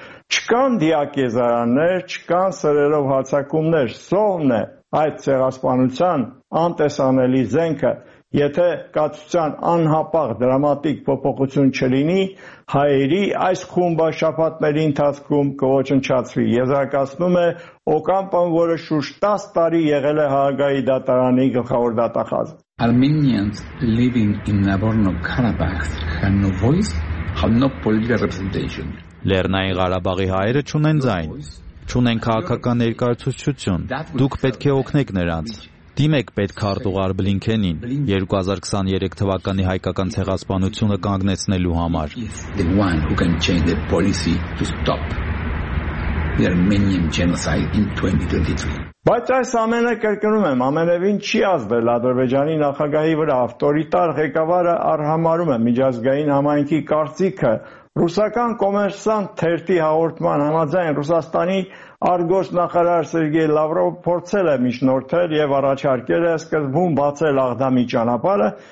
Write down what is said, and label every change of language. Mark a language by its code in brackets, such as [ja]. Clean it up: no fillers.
[hy] Չկան դիակեզարաններ, չկան սրերով հացակումներ, սովն է այդ ցեղասպանության անտեսանելի զենքը, եթե կացության անհապաղ դրամատիկ փոփոխություն չլինի, հայերի այս խումբը շաբաթների ընթացքում կոչնչացվի։ Եզրակացնում է Օկամպոն, որը շուրջ 10 տարի եղել է Հաղագայի դատարանի գլխավոր դատախազ։ [en] Armenians living in Nagorno-Karabakh have no voice, have no political representation. [hy] Լեռնային Ղարաբաղի հայերը չունեն ձայն, չունեն քաղաքական ներկայացություն։ Դուք պետք է օգնեք նրանց։ Դիմեք պետք քարտուղար Բլինքենին 2023 թվականի հայկական ցեղասպանությունը կանգնեցնելու համար։ [en] The one who can change the policy to stop the Armenian genocide in 2023. [hy] Բայց այս ամենը կրկնում եմ, ամենևին չի ազդել Ադրբեջանի նախագահի վրա, ավտորիտար ղեկավարը արհամարում է միջազգային համայնքի կարծիքը ռուսական կոմերսանտ թերթի հաղորդման համաձայն։ Ռուսաստանի Արգոս նախարար Սերգեյ Լավրովը փորձել է միջնորդել եւ առաջարկել է սկզբում բացել Աղդամի ճանապարհը,